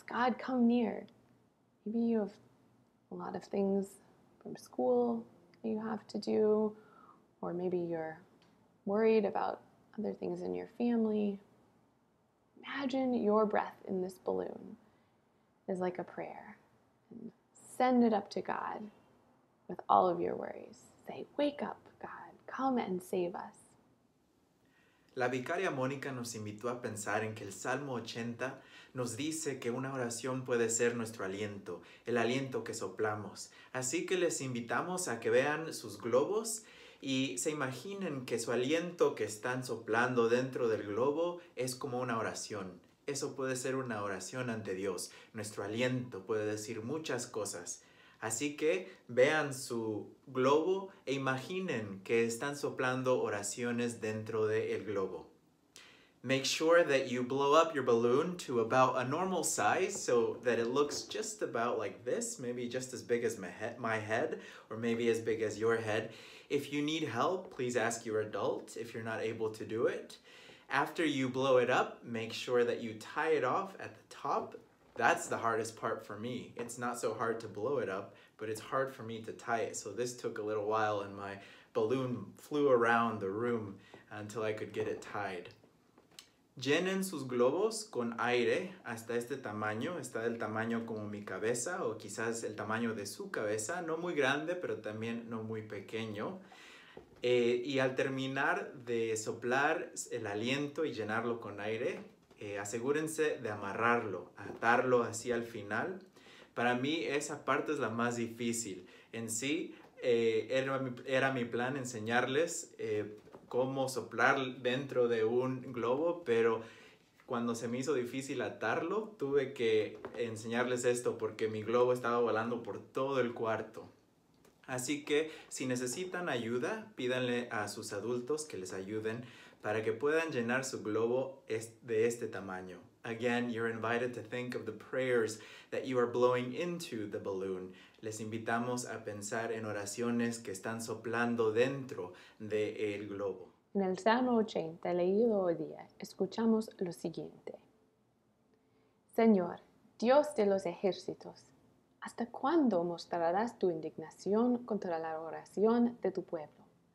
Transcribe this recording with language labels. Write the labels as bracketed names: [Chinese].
[English] God, come near. Maybe you have a lot of things from school that you have to do, or maybe you're worried about other things in your family. Imagine your breath in this balloon is like a prayer. And send it up to God with all of your worries. Say, wake up, God, come and save us. [Spanish] La vicaria Mónica nos invitó a pensar en que el Salmo 80 nos dice que una oración puede ser nuestro aliento, el aliento que soplamos. Así que les invitamos a que vean sus globos y se imaginen que su aliento que están soplando dentro del globo es como una oración. Eso puede ser una oración ante Dios. Nuestro aliento puede decir muchas cosas. Así que vean su globo e imaginen que están soplando oraciones dentro del globo. [English] Make sure that you blow up your balloon to about a normal size so that it looks just about like this, maybe just as big as my head, or maybe as big as your head. If you need help, please ask your adult if you're not able to do it. After you blow it up, make sure that you tie it off at the top. That's the hardest part for me. It's not so hard to blow it up, but it's hard for me to tie it. So this took a little while in my balloon flew around the room until I could get it tied. [Spanish] Llenen sus globos con aire hasta este tamaño. Está del tamaño como mi cabeza o quizás el tamaño de su cabeza. No muy grande, pero también no muy pequeño. Y al terminar de soplar el aliento y llenarlo con aire, asegúrense de amarrarlo, atarlo así al final. Para mí esa parte es la más difícil. En sí, era mi plan enseñarles cómo soplar dentro de un globo, pero cuando se me hizo difícil atarlo, tuve que enseñarles esto porque mi globo estaba volando por todo el cuarto. Así que si necesitan ayuda, pídanle a sus adultos que les ayuden para que puedan llenar su globo de este tamaño. [English] Again, you're invited to think of the prayers that you are blowing into the balloon. [Spanish] Les invitamos a pensar en oraciones que están soplando dentro del globo. En el Salmo 80, leído hoy día, escuchamos lo siguiente. Señor, Dios de los ejércitos, ¿hasta cuándo mostrarás tu indignación contra la oración de tu pueblo?